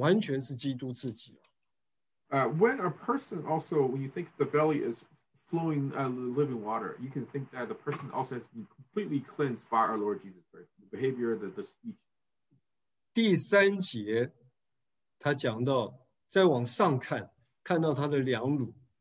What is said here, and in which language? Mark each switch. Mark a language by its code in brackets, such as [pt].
[zh] 这个腹中流出活水江河，也告诉我们说，这个人的心思、意念、情感都被主洁净了，完全是基督自己了。 [en] When a person also, when you think the belly is flowing living water, you can think that the person also has been completely cleansed by our Lord Jesus Christ. The behavior, the speech. [zh] 第三节，他讲到，再往上看，看到他的两乳。